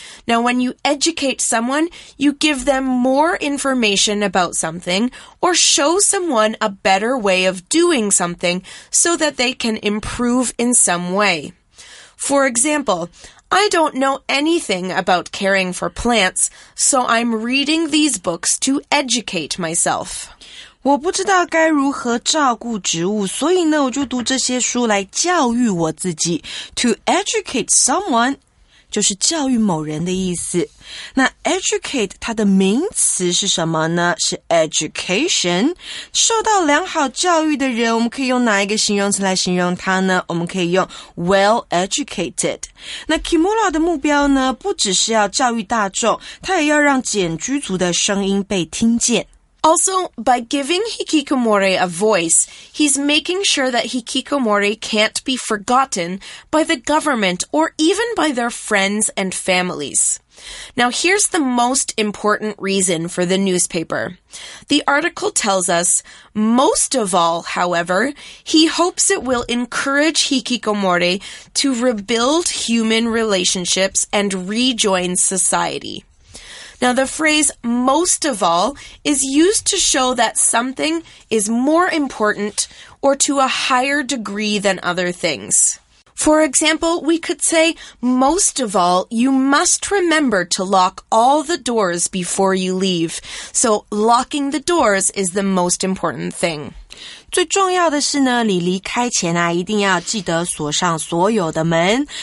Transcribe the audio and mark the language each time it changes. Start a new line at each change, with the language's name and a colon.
English: Now, when you educate someone, you give them more information about something or show someone a better way of doing something so that they can improve in some way. For example, I don't know anything about caring for plants, so I'm reading these books to educate myself.
Chinese: 我不知道该如何照顾植物，所以呢，我就读这些书来教育我自己。
English: To educate someone
Chinese: 就是教育某人的意思。那 educate 它的名词是什么呢？是 education。受到良好教育的人，我们可以用哪一个形容词来形容他呢？我们可以用
English: well educated。
Chinese: 那 Kimura 的目标呢，不只是要教育大众，他也要让简居族的声音被听见。
English: Also, by giving hikikomori a voice, he's making sure that hikikomori can't be forgotten by the government or even by their friends and families. Now, here's the most important reason for the newspaper. The article tells us, most of all, however, he hopes it will encourage hikikomori to rebuild human relationships and rejoin society. Now, the phrase most of all is used to show that something is more important or to a higher degree than other things. For example, we could say, most of all, you must remember to lock all the doors before you leave. So, locking the doors is the most important thing.
Chinese: 最重要的是呢，你离开前啊，一定要记得锁上所有的门。